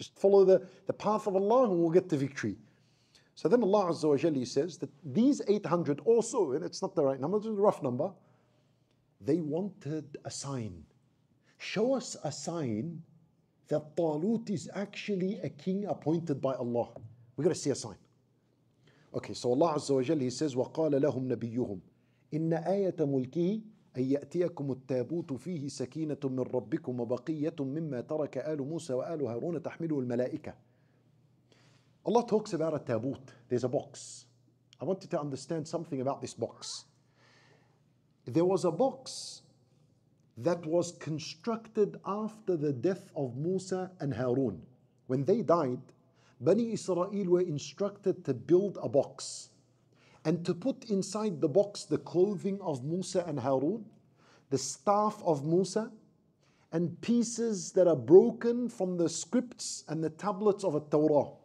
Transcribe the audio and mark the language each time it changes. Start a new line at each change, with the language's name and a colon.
English: Just follow the path of Allah and we'll get the victory. So then Allah Azza wa Jalla says that these 800 also, and it's not the right number, it's a rough number, they wanted a sign. Show us a sign that Talut is actually a king appointed by Allah. We got to see a sign.
Arabic: Okay, so Allah Azza wa Jalla, he says, وَقَالَ لَهُمْ نَبِيُّهُمْ إِنَّ آيَةَ مُلْكِهِ أَن يَأْتِيَكُمُ التَّابُوتُ فِيهِ سَكِينَةٌ مِّن رَّبِّكُمْ وَبَقِيَّةٌ مِّمَّا تَرَكَ آلُ مُوسَى وَآلُ هَارُونَ تَحْمِلُهُ الْمَلَائِكَةُ.
English: Allah talks about a tabut. There's a box. I want you to understand something about this box. There was a box that was constructed after the death of Musa and Harun. When they died, Bani Israel were instructed to build a box and to put inside the box the clothing of Musa and Harun, the staff of Musa, and pieces that are broken from the scripts and the tablets of a Torah.